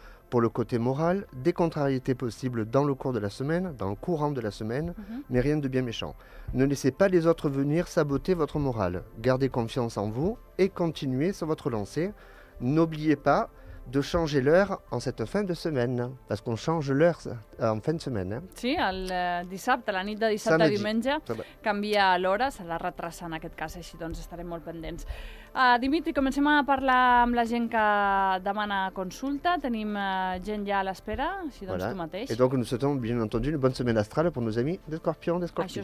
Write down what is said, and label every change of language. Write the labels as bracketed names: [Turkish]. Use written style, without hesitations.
[French] Pour le côté moral, des contrariétés possibles dans le cours de la semaine, dans le courant de la semaine, mais rien de bien méchant. Ne laissez pas les autres venir saboter votre morale. Gardez confiance en vous et continuez sur votre lancée. N'oubliez pas de changer l'heure en cette fin de semaine. Parce qu'on change l'heure en fin de semaine. [Catalan] Sí, el dissabte, la nit de dissabte a diumenge, canvia l'hora, se la retrasa en aquest cas, així doncs estarem molt pendents. Dimitri, comencem a parlar amb la gent que demana consulta. Tenim gent ja a l'espera, així doncs [French] voilà. [Catalan] Tu mateix. [French] Et donc nous souhaitons, bien entendu, une bonne semaine astrale pour nos amis de Scorpion, de Scorpion.